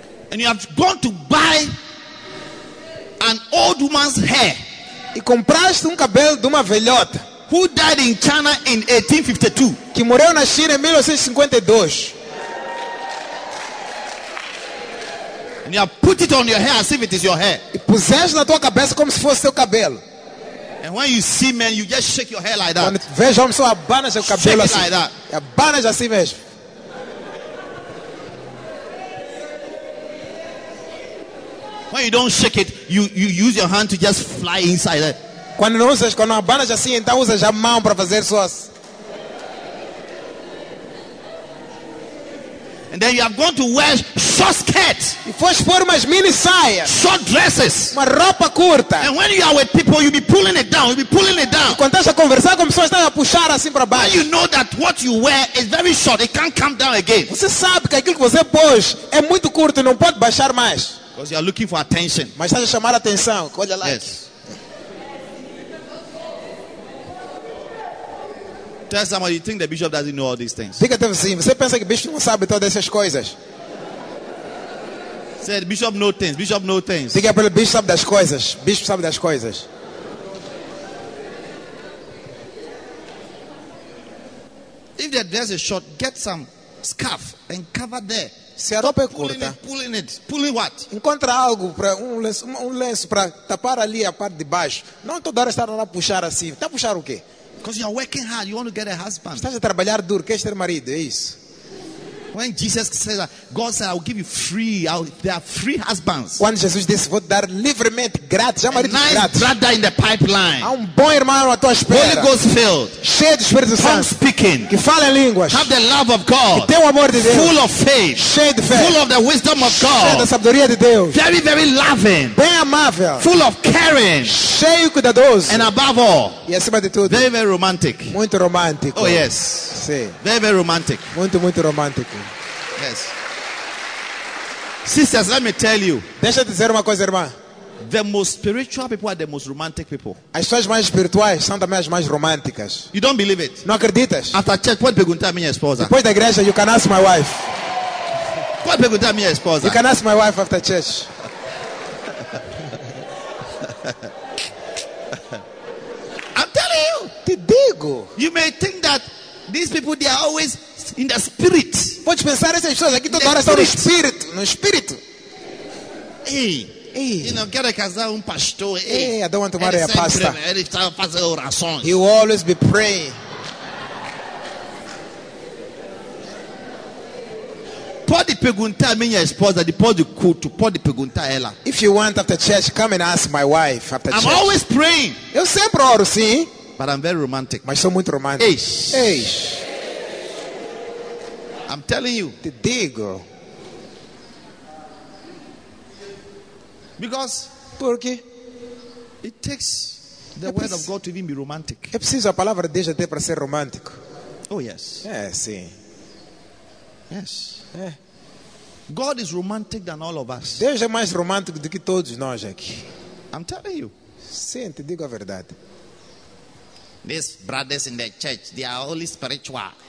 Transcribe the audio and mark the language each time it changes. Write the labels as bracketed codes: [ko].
[en] And you have gone to buy an old woman's hair. [pt] E compraste cabelo de uma velhota. [en] Who died in China in 1852? [pt] Que morreu na China em 1852. [en] And you have put it on your hair as if it is your hair. [pt] E puseste na tua cabeça como se fosse seu cabelo. [en] And when you see men, you just shake your hair like that. [pt] Quando vejo homens, só abana seu cabelo assim. [en] Shake it like that. [pt] Abana assim mesmo. [en] When you don't shake it, you use your hand to just fly inside it. [pt] Quando não usas, quando abanas assim, então usas a mão para fazer suas. [en] And then you are going to wear short skirts. [pt] E foste pôr umas mini saias. [en] Short dresses. [pt] Uma roupa curta. [en] And when you are with people, you'll be pulling it down. You'll be pulling it down. [pt] E quando estás a conversar com pessoas, estás a puxar assim para baixo. [en] When you know that what you wear is very short, it can't come down again. [pt] Você sabe que aquilo que você pôs é muito curto, não pode baixar mais. [en] Because you are looking for attention. [pt] Mas estás a chamar a atenção. Qual é a [en] like? Yes. Tell somebody, you think the bishop doesn't know all these things. [pt] Diga teu vizinho, você pensa que o bispo não sabe todas essas coisas? [en] Said bishop know things. Bishop know things. [pt] Diga para ele, bishop sabe das coisas. Bishop sabe das coisas. [en] If the dress is short, get some scarf and cover there. [pt] Se a roupa é curta, [en] pulling what? [pt] Encontra algo para um lenço para tapar ali a parte de baixo. Não toda hora estar lá puxar assim. Tá puxar o quê? [en] Because you are working hard, you want to get a husband. [pt] Estás a trabalhar duro, queres ter marido, é isso. [en] When Jesus says, God said, I will give you free, there are free husbands. [pt] Quando Jesus disse, vou dar livremente, grátis, já marido [en] nice [pt] grátis. [en] Brother in the pipeline. [pt] Há bom irmão na tua espera. [en] Holy Ghost filled. [pt] Cheio do Espírito Santo. [en] Tongue speaking. [pt] Que fala em línguas. [en] Have the love of God. [pt] Que tem o amor de Deus. [en] Full of faith. [pt] Cheio de fé. [en] Full of the wisdom of God. [pt] Cheio da sabedoria de Deus. [en] Very, very loving. [pt] Bem amável. [en] Full of caring. [pt] Cheio cuidadoso. [en] And above all. [pt] E acima de tudo. [en] Very, very romantic. [pt] Muito romântico. [en] Oh yes. [pt] Sim. [en] Very, very romantic. [pt] Muito, muito romântico. [en] Yes. Sisters, let me tell you. [pt] Deixa eu dizer uma coisa, irmã. [en] The most spiritual people are the most romantic people. [pt] As pessoas mais espirituais são também as mais românticas. [en] You don't believe it? [pt] Não acreditas? [en] After church, [pt] pode perguntar à minha esposa. Depois da igreja, [en] you can ask my wife. [pt] Pode perguntar à minha esposa. [en] You can ask my wife after church. I'm telling you. [pt] Te digo. [en] You may think that these people, they are always in the spirit. [pt] Pode pensar essas pessoas aqui toda hora estão no espírito, no espírito. Ei, ei. E não quero casar um pastor. [en] Ei, I don't want to marry a pastor. [pt] Ele estava fazendo orações. [en] He will always be praying. [pt] Pode perguntar a minha esposa depois do culto. Pode perguntar ela. [en] If you want after church, come and ask my wife after church. I'm always praying. [pt] Eu sempre oro, sim. [en] But I'm very romantic. [pt] Mas sou muito romântico. Eish. Eish. [en] I'm telling you. [pt] Te digo. [en] Because. [pt] Porque. [en] It takes the word of God to even be romantic. [pt] É preciso a palavra de Deus até para ser romântico. [en] Oh yes. [pt] É, sim. [en] Yes. [pt] É. [en] God is romantic than all of us. [pt] Deus é mais romântico do que todos nós aqui. [en] I'm telling you. [pt] Sim, te digo a verdade. [en] These brothers in the church, they are only spiritual.